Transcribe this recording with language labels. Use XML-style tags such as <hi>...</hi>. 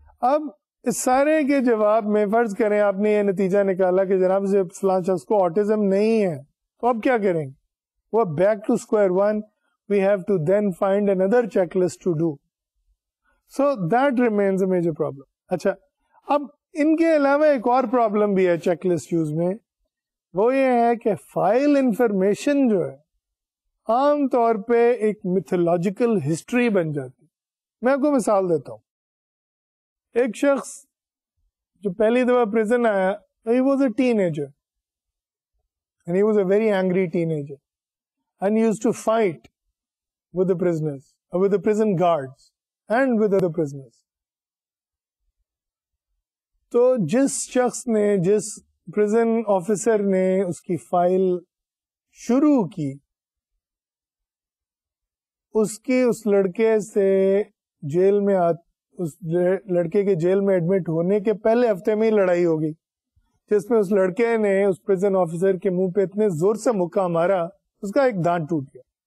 <ur>اب اس سارے کے جواب میں فرض کریں آپ نے یہ نتیجہ نکالا کہ جناب سے فلاں شخص کو آٹیزم نہیں ہے, تو اب کیا کریں گے, وہ</ur> <en>Back to square one, we have to then find another checklist to do. So that remains a major problem.</en> <ur>اچھا, اب ان کے علاوہ ایک اور پرابلم بھی ہے چیک لسٹ یوز میں, وہ یہ ہے کہ فائل انفارمیشن جو ہے عام طور پہ ایک میتھولوجیکل ہسٹری بن جاتی. میں آپ کو مثال دیتا ہوں, ایک شخص جو پہلی دفعہ پریزن آیا,</ur> <en>He was a teenager, And he was a very angry teenager. And he used to fight with the prisoners, with the prison guards and with other prisoners.</en> <ur>So, jis shakhs ne, jis prison officer ne uski file shuru ki, uski us ladke se jail mein aate, اس لڑکے کے jail میں admit ہونے کے پہلے ہفتے میں ہی لڑائی ہو گئی, جس میں اس لڑکے نے اس پرزن آفیسر کے منہ پہ اتنے زور سے مکہ مارا اس کا ایک دانت ٹوٹ گیا.</ur>